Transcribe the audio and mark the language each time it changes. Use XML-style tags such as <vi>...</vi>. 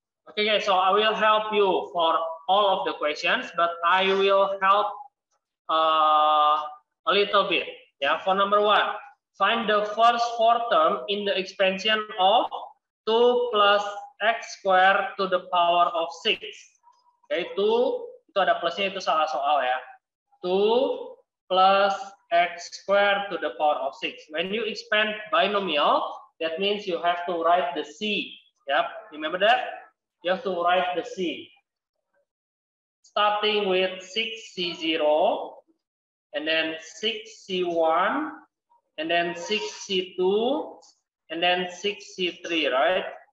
<en>Okay, guys, so I will help you for all of the questions, but I will help a little bit. Yeah, for number one, find the first four term in the expansion of 2 plus x squared to the power of 6.</en> <id>Okay, 2, itu ada plusnya, itu salah soal ya.</id> <en>2 plus x squared to the power of 6. When you expand binomial, that means you have to write the C. Yep, remember that? You have to write the C. Starting with 6C0, and then 6C1, and then 6C2, and then 6C3, right?</en>